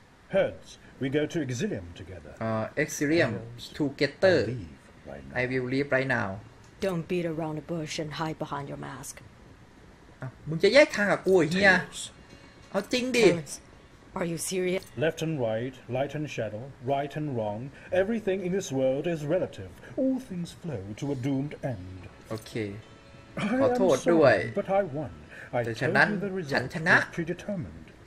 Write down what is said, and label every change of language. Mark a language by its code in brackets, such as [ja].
[en] เฮิร์ทส์ we go to exilium together exilium to getter I will leave right now don't beat around the bush and hide behind your mask [th] มึงจะแยกทางกับกูเหี้ยเอาจริงดิ [en] Are you serious? Left and right, light and shadow, right and wrong. Everything in this world is relative. All things flow to a doomed end. Okay. I am sorry, but I won. I told you the result was predetermined.